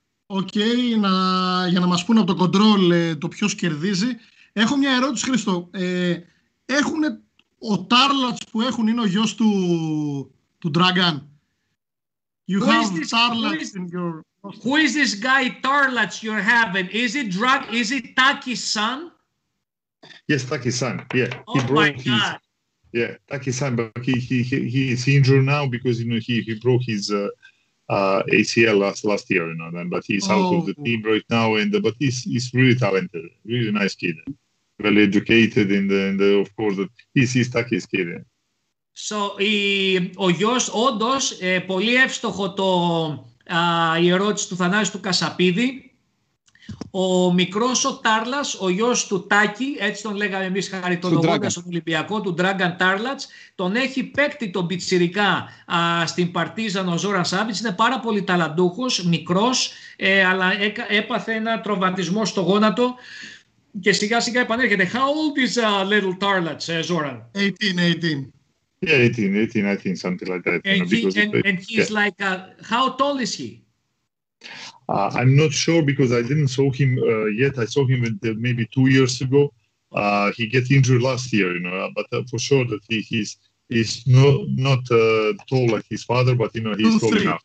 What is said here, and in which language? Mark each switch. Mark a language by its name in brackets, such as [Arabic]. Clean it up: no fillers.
[Greek] Οκ, για να μας πούνε από το control το ποιος κερδίζει. Έχω μια ερώτηση, Χρήστο. Έχουν ο Τάρλατς που έχουν, είναι ο γιος του Dragan. [English] You who have Tarlats in your... Who is this guy Tarlats you're having? Is it Taki's son? Yes, Taki's son. Yeah. Oh, he my God. His... Yeah, Taki's son, but he is injured now because, you know, he broke his ACL last year, you know, but he's out of the team right now. And but he's really talented, really nice kid, very educated. In the of course, he's Takis kid. [Greek] So, ο γιος όντως πολύ εύστοχο το η ερώτηση του Θανάση του Κασαπίδη. Ο μικρός ο Τάρλας, ο γιος του Τάκη, έτσι τον λέγαμε εμείς χαριτολογώντας τον Ολυμπιακό, του Ντράγκαν Τάρλατς, τον έχει παίκτη τον πιτσιρικά στην Παρτίζαν ο Ζόραν Σάβιτς. Είναι πάρα πολύ ταλαντούχος, μικρός, αλλά έπαθε ένα τροματισμό στο γόνατο και σιγά σιγά επανέρχεται. [English] How old is a little Tarlats, Zoran? 18. Yeah, 18, I think, something like that. And he's like, how tall is he? I'm not sure because I didn't saw him yet. I saw him maybe 2 years ago. He get injured last year, you know. But for sure that he's not tall like his father, but you know he's tall enough.